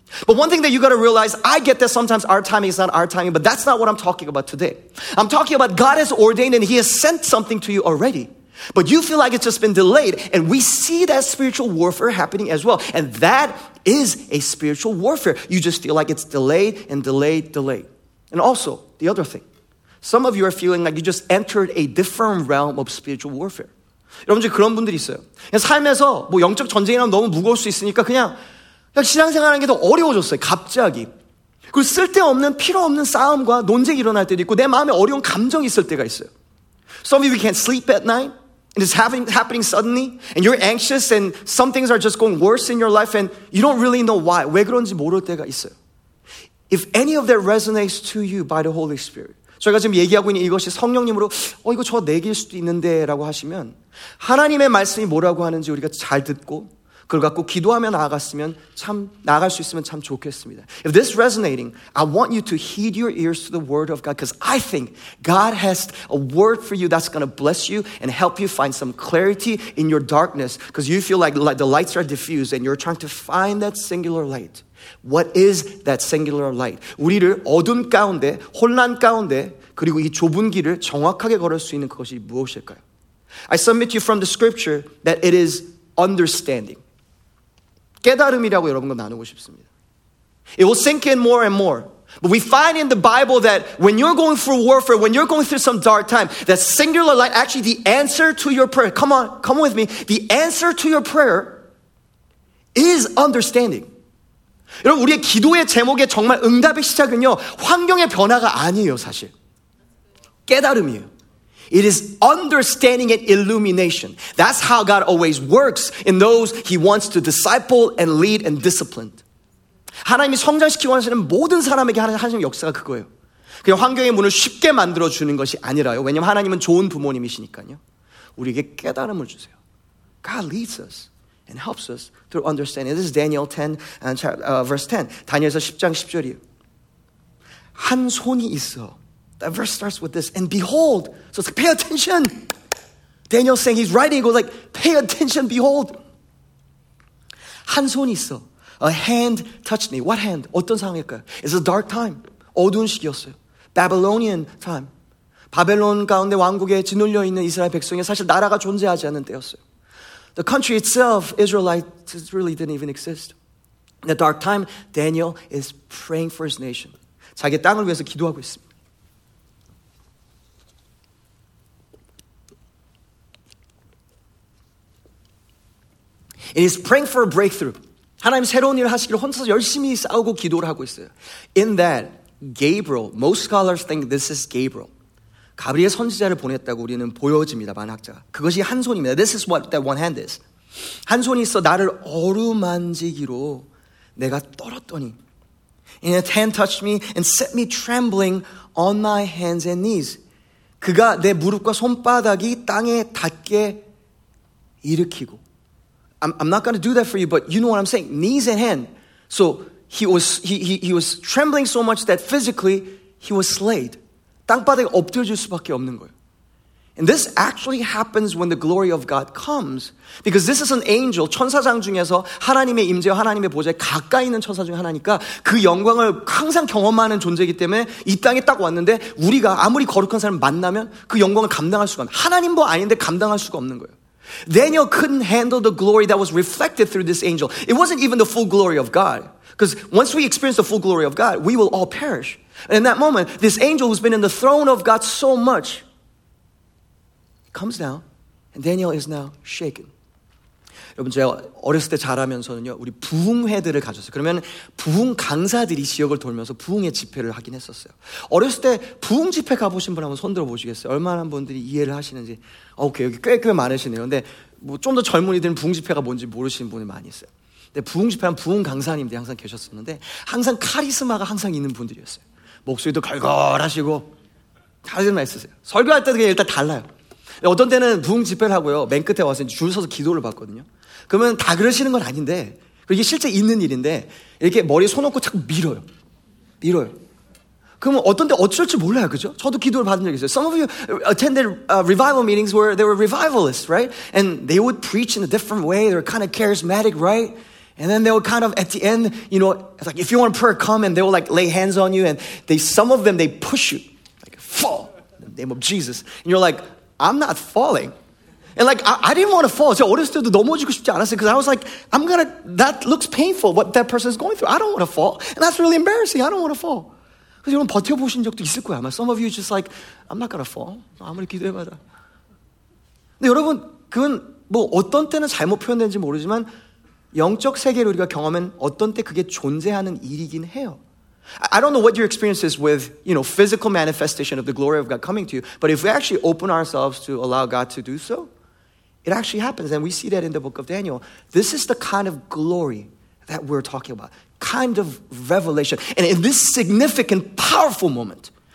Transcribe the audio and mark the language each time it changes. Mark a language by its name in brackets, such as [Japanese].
[English] But one thing that you got to realize, I get that sometimes our timing is not our timing, but that's not what I'm talking about today. I'm talking about God has ordained and he has sent something to you already. But you feel like it's just been delayed. And we see that spiritual warfare happening as well. And that is a spiritual warfare. You just feel like it's delayed and delayed, delayed. And also, the other thing. Some of you are feeling like you just entered a different realm of spiritual warfare. [Korean] 여러분 중에 그런 분들이 있어요. 그냥 삶에서 뭐 영적 전쟁이라면 너무 무거울 수 있으니까 그냥 신앙생활하는 게 더 어려워졌어요. 갑자기. 그리고 쓸데없는, 필요없는 싸움과 논쟁이 일어날 때도 있고 내 마음에 어려운 감정이 있을 때가 있어요. [English] Some of you can't sleep at night and it's happening suddenly and you're anxious and some things are just going worse in your life and you don't really know why. [Korean] 왜 그런지 모를 때가 있어요. [English] If any of that resonates to you by the Holy Spirit, [Korean] 저희가 지금 얘기하고 있는 이것이 성령님으로 이거 저 내길 수도 있는데 라고 하시면 하나님의 말씀이 뭐라고 하는지 우리가 잘 듣고 그걸 갖고 기도하며 나아갔으면 참 나아갈 수 있으면 참 좋겠습니다. [English] If this is resonating, I want you to heed your ears to the word of God because I think God has a word for you that's going to bless you and help you find some clarity in your darkness because you feel like the lights are diffused and you're trying to find that singular light. What is that singular light? [Korean] 우리를 어둠 가운데, 혼란 가운데 그리고 이 좁은 길을 정확하게 걸을 수 있는 것이 무엇일까요? [English] I submit to you from the scripture that it is understanding. [Korean] 깨달음이라고 여러분과 나누고 싶습니다. [English] It will sink in more and more. But we find in the Bible that when you're going through warfare, when you're going through some dark time, that singular light, actually the answer to your prayer, come on, come with me, the answer to your prayer is understanding. [Korean] 여러분, 우리의 기도의 제목에 정말 응답의 시작은요, 환경의 변화가 아니에요, 사실. 깨달음이에요. [English] It is understanding and illumination. That's how God always works in those he wants to disciple and lead and discipline. [Korean] 하나님이 성장시키고 하시는 모든 사람에게 하시는 역사가 그거예요. 그냥 환경의 문을 쉽게 만들어주는 것이 아니라요. 왜냐면 하나님은 좋은 부모님이시니까요. 우리에게 깨달음을 주세요. [English] God leads us and helps us through understanding. This is Daniel 10, verse 10. [Korean] 다니엘서 10장 10절이에요. 한 손이 있어. [English] That verse starts with this, and behold. So it's like, pay attention. Daniel's saying, he's writing, he goes like, pay attention, behold. [Korean] 한 손이 있어. [English] A hand touched me. What hand? [Korean] 어떤 상황일까요? [English] It's a dark time. [Korean] 어두운 시기였어요. [English] Babylonian time. [Korean] 바벨론 가운데 왕국에 짓눌려 있는 이스라엘 백성이 사실 나라가 존재하지 않는 때였어요. [English] The country itself, Israelites, really didn't even exist. In the dark time, Daniel is praying for his nation. [Korean] 자기 땅을 위해서 기도하고 있습니다. [English] And he's praying for a breakthrough. [Korean] 하나님 새로운 일을 하시기를 혼자서 열심히 싸우고 기도를 하고 있어요. [English] In that, Gabriel, most scholars think this is Gabriel. [Korean] 가브리엘 선지자를 보냈다고 우리는 보여집니다, 많은 학자가. 그것이 한 손입니다. [English] This is what that one hand is. [Korean] 한 손이 있어 나를 어루만지기로 내가 떨었더니 [English] And his hand touched me and set me trembling on my hands and knees. [Korean] 그가 내 무릎과 손바닥이 땅에 닿게 일으키고 [English] I'm not going to do that for you, but you know what I'm saying. Knees and hand. So he was trembling so much that physically he was slayed. [Korean] 땅바닥에 엎드려질 수밖에 없는 거예요. [English] And this actually happens when the glory of God comes. Because this is an angel, [Korean] 천사장 중에서 하나님의 임재와 하나님의 보좌에 가까이 있는 천사 중 하나니까 그 영광을 항상 경험하는 존재이기 때문에 이 땅에 딱 왔는데 우리가 아무리 거룩한 사람 만나면 그 영광을 감당할 수가 없는 하나님 뭐 아닌데 감당할 수가 없는 거예요. [English] Daniel couldn't handle the glory that was reflected through this angel. It wasn't even the full glory of God. Because once we experience the full glory of God, we will all perish. And in that moment, this angel who's been in the throne of God so much, comes down, and Daniel is now shaken. [Korean] 여러분, 제가 어렸을 때 자라면서는요, 우리 부흥회들을 가졌어요. 그러면 부흥 강사들이 지역을 돌면서 부흥의 집회를 하긴 했었어요. 어렸을 때 부흥 집회 가보신 분 한번 손들어 보시겠어요? 얼마나 분들이 이해를 하시는지. 오케이, 여기 꽤 많으시네요. 근데 뭐 좀 더 젊은이들은 부흥 집회가 뭔지 모르시는 분이 많이 있어요. 근데 부흥 집회 하면 부흥 강사님들이 항상 계셨었는데, 항상 카리스마가 항상 있는 분들이었어요. 목소리도 걸걸하시고, 카리스마 있으세요. 설교할 때도 그냥 일단 달라요. 어떤 때는 부흥 집회를 하고요, 맨 끝에 와서 줄 서서 기도를 받거든요. 그러면 다 그러시는 건 아닌데 이게 실제 있는 일인데 이렇게 머리에 손 얹고 자꾸 밀어요. 그러면 어떤 데 어쩔 줄 몰라요, 그죠? 저도 기도를 받은 적이 있어요. [English] Some of you attended revival meetings where they were revivalists, right? And they would preach in a different way. They were kind of charismatic, right? And then they would kind of at the end, you know, it's like if you want a prayer, come and they will like lay hands on you and they some of them they push you like fall in the name of Jesus and you're like I'm not falling. And like, I didn't want to fall. [Korean] 제가 어렸을 때도 넘어지고 싶지 않았어요. [English] Because I was like, I'm gonna, that looks painful, what that person is going through. I don't want to fall. And that's really embarrassing. I don't want to fall. [Korean] 그래서 여러분 버텨보신 적도 있을 거예요. 아마 [English] some of you just like, I'm not gonna fall. [Korean] 아무리 기도해봐도. 근데 여러분, 그건 뭐 어떤 때는 잘못 표현된지 모르지만, 영적 세계를 우리가 경험한 어떤 때 그게 존재하는 일이긴 해요. [English] I don't know what your experience is with, you know, physical manifestation of the glory of God coming to you. But if we actually open ourselves to allow God to do so, It actually happens, and we see that in the book of Daniel. This is the kind of glory that we're talking about, kind of revelation. And in this significant, powerful moment,